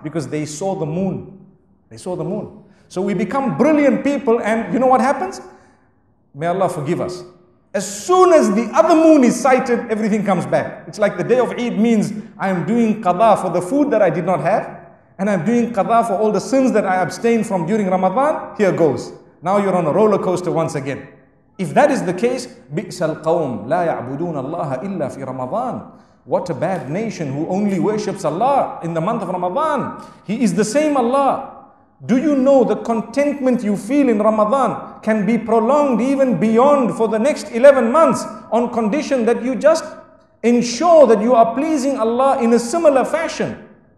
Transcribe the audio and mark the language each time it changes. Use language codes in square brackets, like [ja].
[en] Because they saw the moon. They saw the moon. So we become brilliant people, and you know what happens? May Allah forgive us. As soon as the other moon is sighted, everything comes back. It's like the day of Eid means I am doing qada for the food that I did not have, and I'm doing qada for all the sins that I abstained from during Ramadan. Here goes. Now you're on a roller coaster once again. If that is the case, [ar] بِئْسَ الْقَوْمُ لَا يَعْبُدُونَ اللَّهَ إِلَّا فِي رَمَضَانَ. [en] What a bad nation who only worships Allah in the month of Ramadan. He is the same Allah. Do you know the contentment you feel in Ramadan can be prolonged even beyond for the next 11 months on condition that you just ensure that you are pleasing Allah in a similar fashion?